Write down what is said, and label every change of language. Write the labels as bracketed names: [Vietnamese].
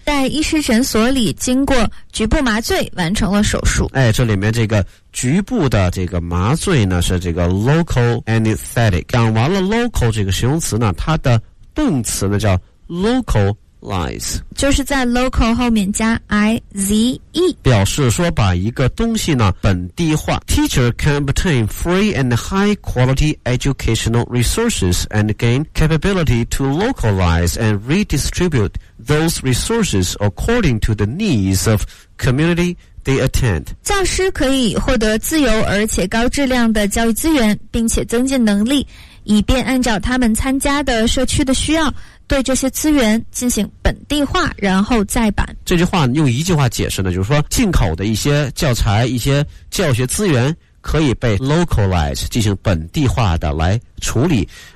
[Chinese] 在医师诊所里经过局部麻醉完成了手术哎，这里面这个局部的这个麻醉呢是这个 local anesthetic 讲完了 local 这个形容词呢它的动词呢叫 localize 就是在 local 后面加 ize [English] 表示说把一个东西呢本地化 teacher can obtain free and high quality educational resources and gain capability to localize and redistribute those resources according to the needs of communityThey attend. [Chinese] 教师可以获得自由而且高质量的教育资源并且增进能力以便按照他们参加的社区的需要对这些资源进行本地化然后再版。这句话用一句话解释呢，就是说进口的一些教材一些教学资源可以被 localize 进行本地化的来处理。